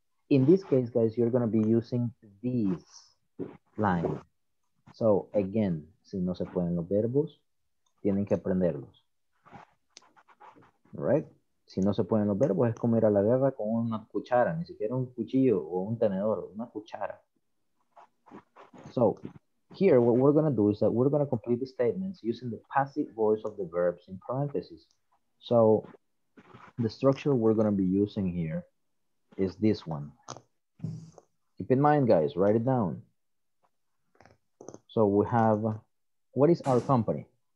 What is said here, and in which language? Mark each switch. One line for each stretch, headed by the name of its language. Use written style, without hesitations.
English: In this case, guys, you're going to be using these lines. So, again,
Spanish: si no se pueden los verbos, tienen que aprenderlos. Right? Si no se pueden los verbos, es como ir a la guerra con una cuchara, ni siquiera un cuchillo o un tenedor, una cuchara.
English: So, here, what we're going to do is that we're going to complete the statements using the passive voice of the verbs in parentheses. So, the structure we're going to be using here is this one. Keep in mind, guys, write it down. So we have, what is our company?